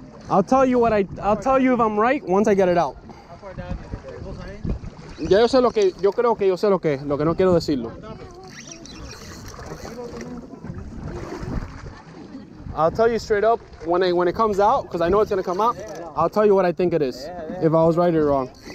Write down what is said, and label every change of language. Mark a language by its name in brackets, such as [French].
[English] I'll tell you if I'm right once I get it out. [Spanish] Ya yo sé lo que, yo creo que yo sé lo que no quiero decirlo. [English] I'll tell you straight up when it comes out, because I know it's gonna come out. Yeah. I'll tell you what I think it is, yeah. If I was right or wrong.